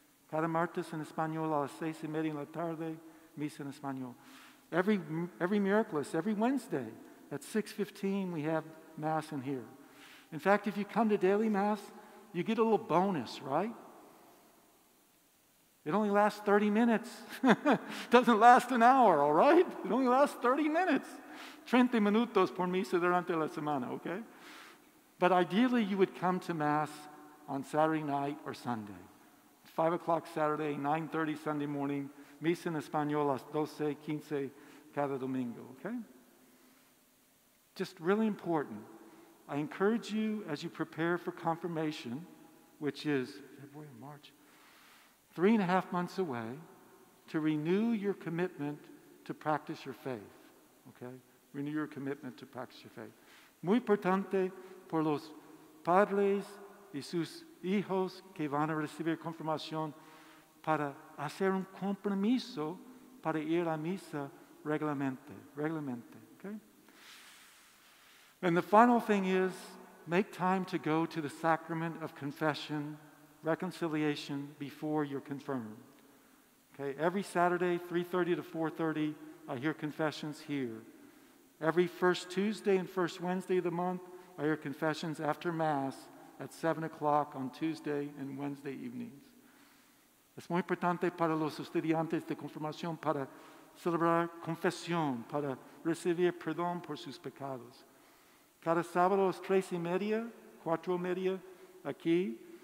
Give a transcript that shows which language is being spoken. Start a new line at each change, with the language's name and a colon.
Spanish: Cada martes en español a las 6:30 en la tarde, misa en español.
English: Every Miraculous, every Wednesday, At 6:15, we have Mass in here. In fact, if you come to daily Mass, you get a little bonus, right? It only lasts 30 minutes. It doesn't last an hour, all right? It only lasts 30 minutes.
Spanish: 30 minutos por misa durante la semana, okay?
English: But ideally, you would come to Mass on Saturday night or Sunday. 5 o'clock Saturday, 9:30 Sunday morning.
Spanish: Misa en español, las 12, 15 cada domingo, okay?
English: Just really important. I encourage you, as you prepare for confirmation, which is February and March, 3.5 months away, to renew your commitment to practice your faith, okay? Renew your commitment to practice your faith.
Spanish: Muy importante por los padres y sus hijos que van a recibir confirmación para hacer un compromiso para ir a misa regularmente, okay?
English: And the final thing is, make time to go to the sacrament of confession, reconciliation, before you're confirmed. Okay, every Saturday, 3:30 to 4:30, I hear confessions here. Every first Tuesday and first Wednesday of the month, I hear confessions after Mass at 7 o'clock on Tuesday and Wednesday evenings.
Spanish: Es muy importante para los estudiantes de confirmación para celebrar confesión, para recibir perdón por sus pecados. Cada sábado es 3:30, 4:30, aquí.